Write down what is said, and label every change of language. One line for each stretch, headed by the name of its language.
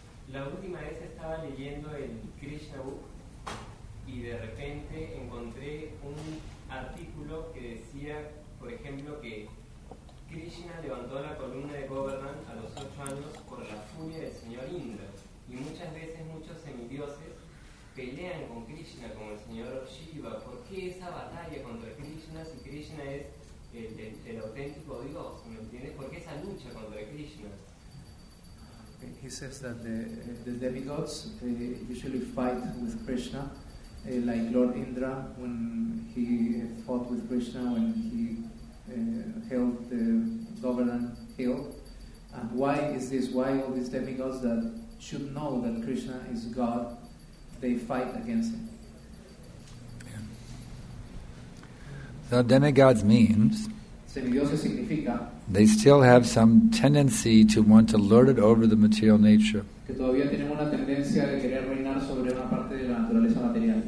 Spanish: La última vez estaba leyendo el Krishna Book y de repente encontré un artículo que decía, por ejemplo, que Krishna levantó la columna de Govardhan a los 8 años por la furia del señor Indra. Y muchas veces muchos semidioses pelean con Krishna, como el señor Shiva. ¿Por qué esa batalla contra Krishna si Krishna es el auténtico Dios? ¿Me entiendes? ¿Por qué esa lucha contra Krishna?
English: He says that the demigods usually fight with Krishna, like Lord Indra when he fought with Krishna when he held the Govardhan hill. And why is this? Why all these demigods that should know that Krishna is God, they fight against him? Yeah. So demigods means
Spanish: semidioses significa
English: they still have some tendency to want to lord it over the material nature.
Spanish: Que todavía tienen una tendencia de querer reinar sobre una parte de la naturaleza material.